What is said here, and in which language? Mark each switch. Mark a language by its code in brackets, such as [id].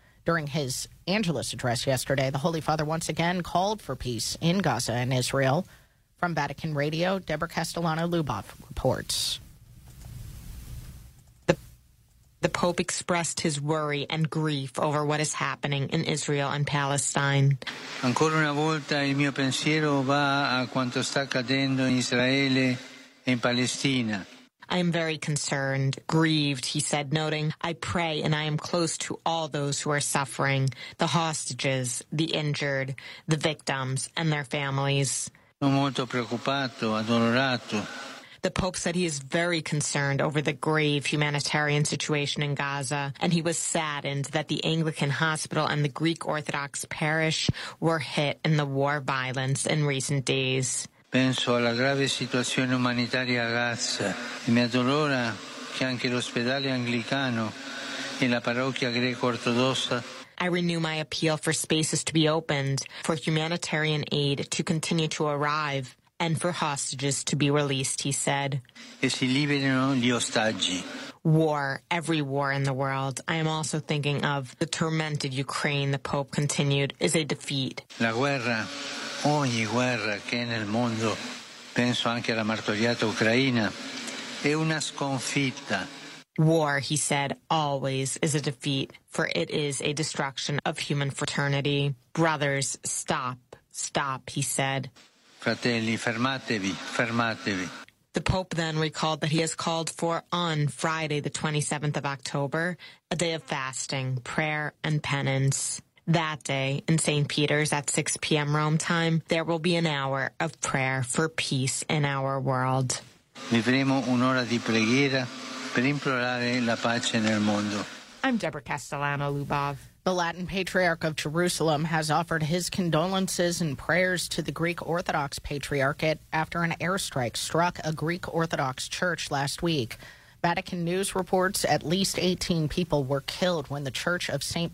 [en] During his Angelus address yesterday, the Holy Father once again called for peace in Gaza and Israel. From Vatican Radio, Deborah Castellano-Luboff reports. The Pope expressed his worry and grief over what is happening in Israel and Palestine. [it] Ancora una volta il mio pensiero va a quanto sta accadendo in Israele e in Palestina. [en] I am very concerned, grieved, he said, noting, I pray and I am close to all those who are suffering, the hostages, the injured, the victims, and their families. [it] Sono molto preoccupato, addolorato. [en] The Pope said he is very concerned over the grave humanitarian situation in Gaza, and he was saddened that the Anglican hospital and the Greek Orthodox parish were hit in the war violence in recent days. [it] Penso alla grave situazione umanitaria a Gaza, e mi addolora che anche l'ospedale anglicano e la parrocchia greco-ortodossa. [en] I renew my appeal for spaces to be opened, for humanitarian aid to continue to arrive, and for hostages to be released, he said. [it] E si liberino gli ostaggi. [en] War, every war in the world. I am also thinking of the tormented Ukraine, the Pope continued, is a defeat. [it] La guerra, ogni guerra che è nel mondo, penso anche alla martoriata Ucraina, è una sconfitta. [en] War, he said, always is a defeat, for it is a destruction of human fraternity. Brothers, stop, stop, he said. [it] Fratelli, fermatevi, fermatevi. [en] The Pope then recalled that he has called for, on Friday, the 27th of October, a day of fasting, prayer, and penance. That day, in St. Peter's at 6 p.m. Rome time, there will be an hour of prayer for peace in our world. [it] Vivremo un'ora di preghiera per implorare la pace nel mondo. [en] I'm Deborah Castellano-Luboff. The Latin Patriarch of Jerusalem has offered his condolences and prayers to the Greek Orthodox Patriarchate after an airstrike struck a Greek Orthodox church last week. Vatican News reports at least 18 people were killed when the Church of St.